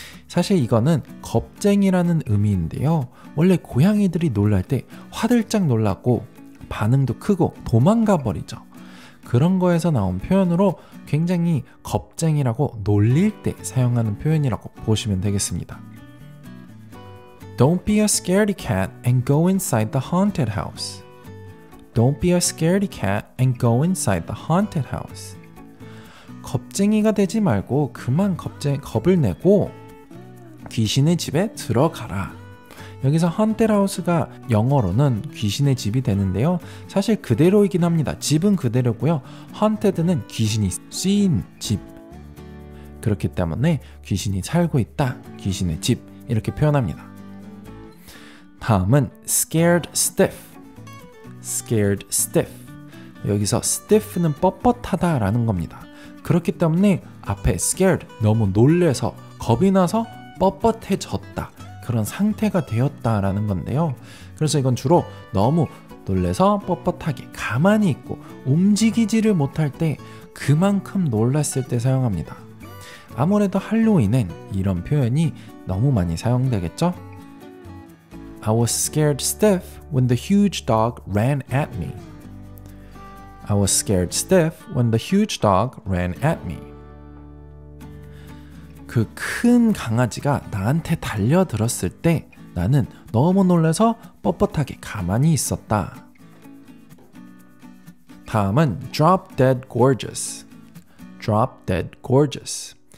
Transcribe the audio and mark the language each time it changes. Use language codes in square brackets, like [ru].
[ko] 사실 이거는 겁쟁이라는 의미인데요. 원래 고양이들이 놀랄 때 화들짝 놀라고 반응도 크고 도망가 버리죠. 그런 거에서 나온 표현으로 굉장히 겁쟁이라고 놀릴 때 사용하는 표현이라고 보시면 되겠습니다. [en] Don't be a scaredy cat and go inside the haunted house. Don't be a scaredy cat and go inside the haunted house. [ko] 겁쟁이가 되지 말고 그만 겁을 내고 귀신의 집에 들어가라. 여기서 haunted house가 영어로는 귀신의 집이 되는데요. 사실 그대로이긴 합니다. 집은 그대로고요. haunted는 귀신이 쓰인 집. 그렇기 때문에 귀신이 살고 있다, 귀신의 집 이렇게 표현합니다. 다음은 [en] scared stiff. scared stiff. [ko] 여기서 stiff는 뻣뻣하다 라는 겁니다. 그렇기 때문에 앞에 scared, 너무 놀래서 겁이 나서 뻣뻣해졌다, 그런 상태가 되었다 라는 건데요. 그래서 이건 주로 너무 놀래서 뻣뻣하게 가만히 있고 움직이지를 못할 때, 그만큼 놀랐을 때 사용합니다. 아무래도 할로윈엔 이런 표현이 너무 많이 사용되겠죠? [en] I was scared stiff when the huge dog ran at me. I was scared stiff when the huge dog ran at me. [ko] 그 큰 강아지가 나한테 달려들었을 때 나는 너무 놀라서 뻣뻣하게 가만히 있었다. 다음은 [en] drop dead gorgeous. Drop dead gorgeous.